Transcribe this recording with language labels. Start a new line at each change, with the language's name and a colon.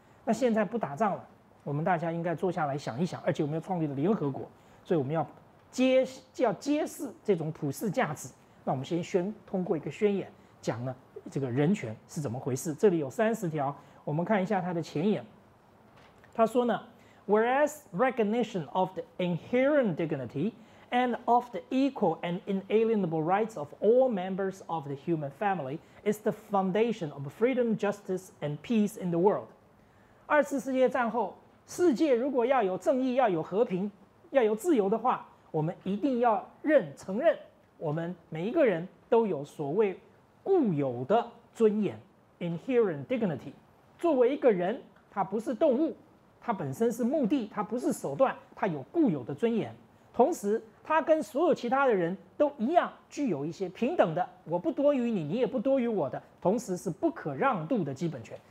Chinese: 那现在不打仗了，我们大家应该坐下来想一想，而且我们要创立了联合国，所以我们要揭示这种普世价值。那我们先通过一个宣言，讲呢这个人权是怎么回事。这里有30条，我们看一下它的前言。他说呢，
English: Whereas recognition of the inherent dignity and of the equal and inalienable rights of all members of the human family is the foundation of freedom, justice, and peace in the world.
Chinese: 二次世界战后，世界如果要有正义，要有和平，要有自由的话，我们一定要承认我们每一个人都有所谓固有的尊严 inherent dignity。作为一个人，他不是动物，它本身是目的，它不是手段，它有固有的尊严，同时它跟所有其他的人都一样，具有一些平等的，我不多于你，你也不多于我的，同时是不可让渡的基本权。